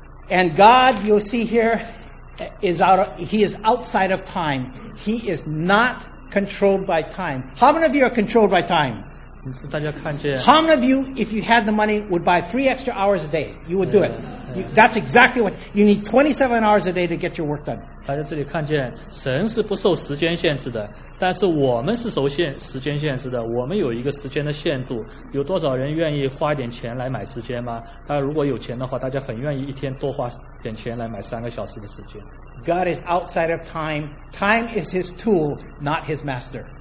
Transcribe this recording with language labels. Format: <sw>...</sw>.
<en>And God, you'll see here, is outside of time. He is not controlled by time. How many of you are controlled by time?</en> <zh>大家看见。</zh> <en>How many of you, if you had the money, would buy 3 extra hours a day? You would do it. That's exactly what, you need 27 hours a day to get your work done.</en> <zh>大家这里看见，神是不受时间限制的，但是我们是受时间限制的，我们有一个时间的限度。有多少人愿意花一点钱来买时间吗？那如果有钱的话，大家很愿意一天多花点钱来买三个小时的时间。</zh> <en>God is outside of time. Time is his tool, not his master.</en>